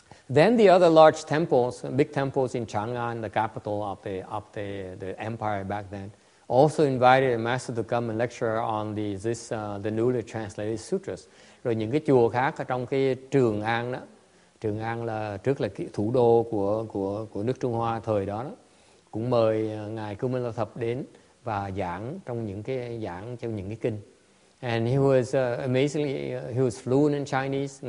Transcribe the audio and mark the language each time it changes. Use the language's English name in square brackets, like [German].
[English] Then the other large temples, big temples in Chang'an, the capital of the empire back then, also invited a master to come and lecture on the newly translated sutras. [Vietnamese] Rồi những cái chùa khác ở trong cái Trường An đó, Trường An là trước là cái thủ đô của nước Trung Hoa thời đó, cũng mời ngài Kumara Thập đến và giảng trong những cái kinh. [English] And he was he was fluent in Chinese.